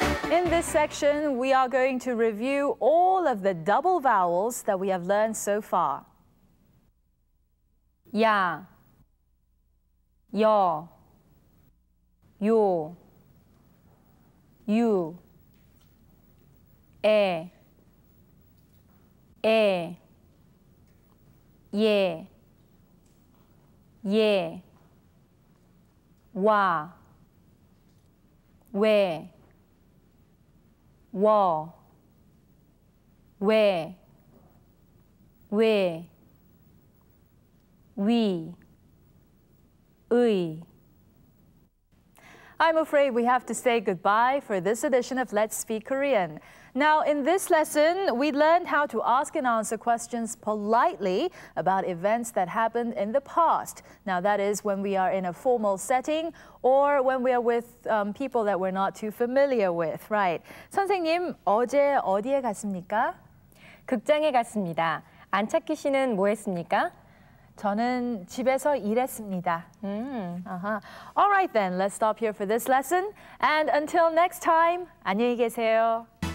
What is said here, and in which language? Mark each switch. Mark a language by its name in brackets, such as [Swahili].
[English] 이 section, we are going to review all of the double vowels that we have learned so far. [Korean] 야, 여, 요, 유, 에, 에, 예, 예, 와, 왜. 워, 왜, 왜, 위, 의. [English] I'm afraid we have to say goodbye for this edition of Let's Speak Korean. Now, in this lesson, we learned how to ask and answer questions politely about events that happened in the past. Now, that is when we are in a formal setting or when we are with people that we're not too familiar with, right? [Korean] 선생님, 어제 어디에 갔습니까? 극장에 갔습니다. 안찾기 씨는 뭐 했습니까? 저는 집에서 일했습니다. [English] All right then, let's stop here for this lesson. And until next time, [Korean] 안녕히 계세요.